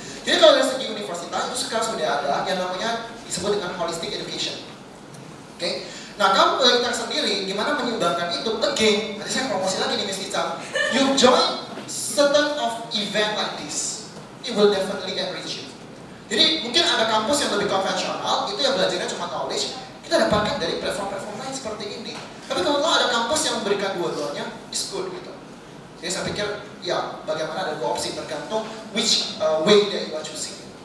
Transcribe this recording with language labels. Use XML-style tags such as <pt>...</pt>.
<id>Jadi kalau dari segi universitas itu sekarang sudah ada yang namanya disebut dengan holistic education. Oke. Okay? Nah, kamu kita sendiri gimana menyumbangkan itu? Again, nanti saya promosi lagi di Miss Kicang.</id> <en>You join certain of event like this, it will definitely enrich you.</en> <id>Jadi mungkin ada kampus yang lebih konvensional, itu yang belajarnya cuma knowledge, kita dapatkan dari platform-platform lain seperti ini. Tapi kalau ada kampus yang memberikan dua-duanya,</id> <en>it's good</en> <id>gitu. Jadi saya pikir, ya bagaimana ada dua opsi tergantung</id> <en>which way that you are choosing.</en>